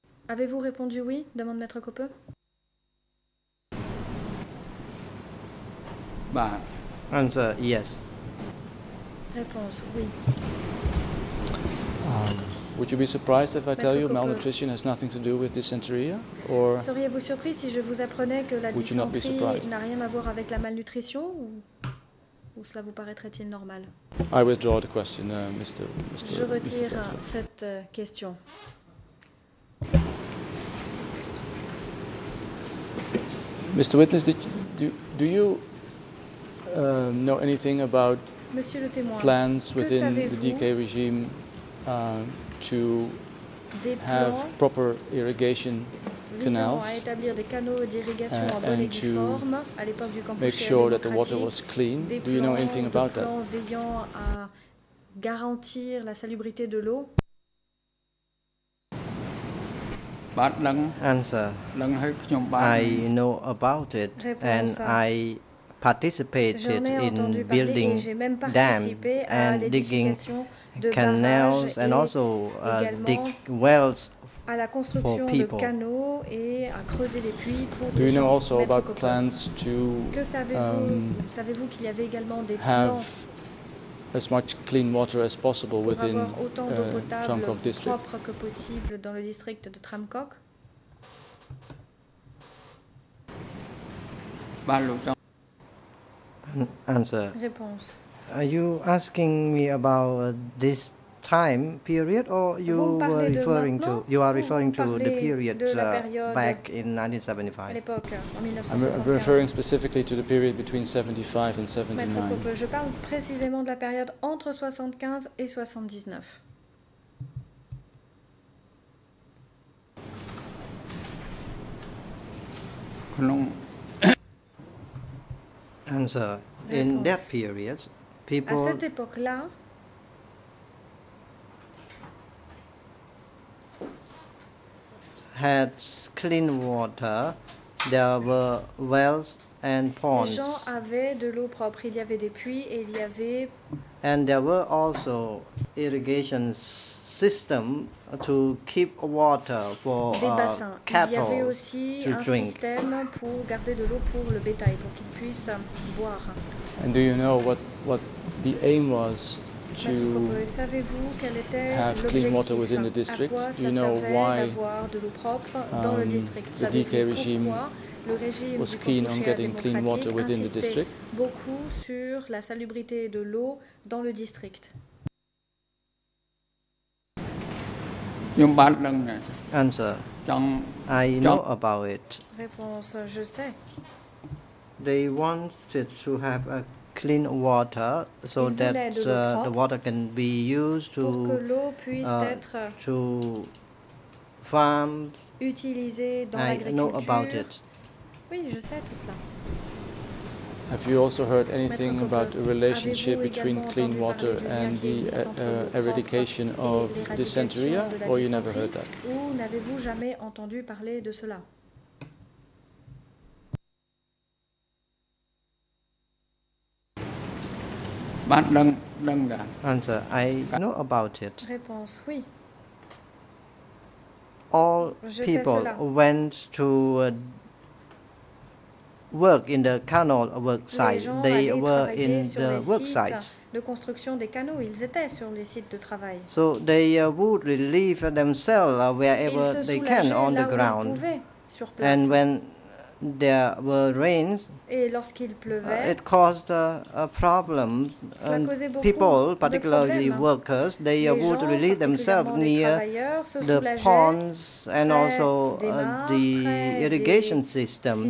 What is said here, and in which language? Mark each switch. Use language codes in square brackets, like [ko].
[fr] Avez-vous répondu oui? Demande Maître Coppe. [en] Bah. Answer yes. [fr] Réponse oui. [en] Would you be surprised if I tell you malnutrition has nothing to do with dysentery? Or [fr] seriez-vous surpris si je vous apprenais que la dysenterie n'a rien à voir avec la malnutrition? Ou cela vous paraîtrait-il normal? [en] I withdraw the question, Mr. [fr] Je retire cette question. [en] Mr. Witness, do you know anything about [fr] le témoin, [en] plans within the DK regime to have proper irrigation canals [fr] à établir des canaux d'irrigation [en] and [fr] en bonne et due forme à l'époque du campus [en] make sure that the water was clean. Do you know anything about that? [fr] Veillant à garantir la salubrité de l'eau. [en] Answer. I know about it and I participated in building dams and digging canals and also dig wells [fr] à la construction [en] for people. [fr] De canaux et à creuser des puits pour [en] do you know also about plans to [fr] que savez-vous qu'il y avait également des [en] have plans as much clean water as possible within Tramcock district [fr] propre que possible dans le district de Tramcock. [en] Answer. [fr] Réponse. [en] Are you asking me about this time period, or you were referring to the period back in 1975? I'm referring specifically to the period between 75 and 79. [fr] Je parle précisément de la période entre 75 et 79. [en] Answer. In that period, people. [fr] À cette époque-là. [en] Had clean water, there were wells and ponds. [fr] Les gens avaient de l'eau propre, il y avait des puits et il y avait. [en] And there were also irrigation system to keep water for cattle [fr] il y avait aussi [en] to [fr] un [en] drink. [fr] Système pour garder de l'eau pour le bétail, pour qu'ils puissent boire. [en] And do you know what the aim was? To have clean water within the district, you know why the DK regime was keen on getting clean water within the district. [fr] Beaucoup sur la salubrité de l'eau dans le district. [en] Answer. I know about it. [fr] Réponse. Je sais. [en] They wanted to have a clean water so that the water can be used to to farm. [fr] Utiliser dans l'agriculture. [en] I know about it. [fr] Oui, je sais tout cela. [en] Have you also heard anything about the relationship between clean water and the eradication of dysentery, or you never heard that? [fr] Ou n'avez-vous jamais entendu parler de cela? Bạn đang [en] Answer, I know about it. [fr] Réponse, oui. [en] All people went to work in the canal work site. They were in the work sites. [fr] De construction des canaux, ils étaient sur les sites de travail. [en] So they would relieve themselves wherever they can on the ground. And when there were rains, [fr] et lorsqu'il pleuvait, [en] it caused a problem. And people, particularly workers, they would relieve themselves near the ponds and also the irrigation system.